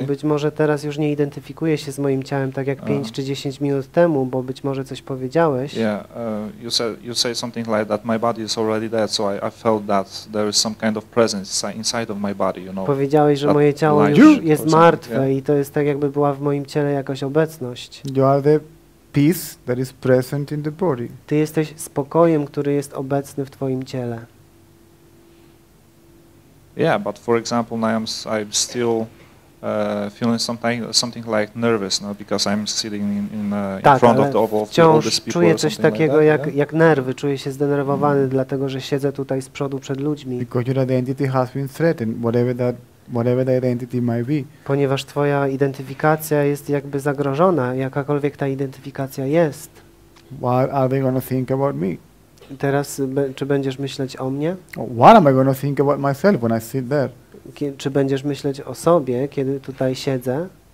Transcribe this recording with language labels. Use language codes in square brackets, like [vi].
[pl] Być może teraz już nie identyfikuję się z moim ciałem tak jak 5 czy 10 minut temu, bo być może coś powiedziałeś. [en] Yeah, you say something like that. My body is already dead, so I felt that there is some kind of presence inside of my body. You know. [pl] Powiedziałeś, że moje ciało już jest martwe i to jest tak, jakby była w moim ciele jakaś obecność. [en] You are the peace that is present in the body. [pl] Ty jesteś spokojem, który jest obecny w twoim ciele. [en] Yeah, but for example, now I'm still feeling something like nervous, no, because I'm sitting in front of all these people. [pl] Wciąż czuję coś takiego jak nerwy. Czuję się zdenerwowany, dlatego że siedzę tutaj z przodu przed ludźmi. [en] Because your identity has been threatened, whatever the identity might be. [pl] Ponieważ twoja identyfikacja jest jakby zagrożona, jakakolwiek ta identyfikacja jest. [en] What are they going to think about me? [pl] Teraz czy będziesz myśleć o mnie? [en] What am I going to think about myself when I sit there? [pl] Czy będziesz myśleć o sobie, kiedy tutaj siedzę?